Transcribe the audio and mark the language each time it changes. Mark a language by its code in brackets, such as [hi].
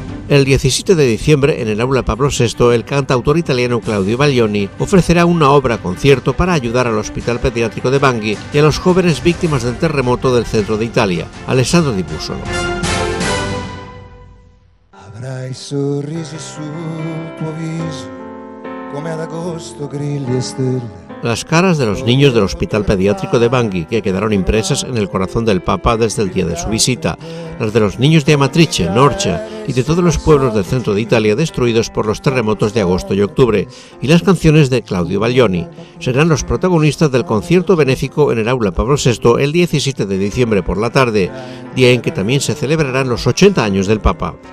[es] El 17 de diciembre, en el Aula Pablo VI, el cantautor italiano Claudio Baglioni ofrecerá una obra-concierto para ayudar al Hospital Pediátrico de Bangui y a los jóvenes víctimas del terremoto del centro de Italia. Alessandro Di Bussolo. [it] Avrai sorrisi sul tuo viso, come ad agosto grilli e stelle. [es] Las caras de los niños del Hospital Pediátrico de Bangui, que quedaron impresas en el corazón del Papa desde el día de su visita, las de los niños de Amatrice, Norcia y de todos los pueblos del centro de Italia destruidos por los terremotos de agosto y octubre, y las canciones de Claudio Baglioni, serán los protagonistas del concierto benéfico en el Aula Pablo VI el 17 de diciembre por la tarde, día en que también se celebrarán los 80 años del Papa.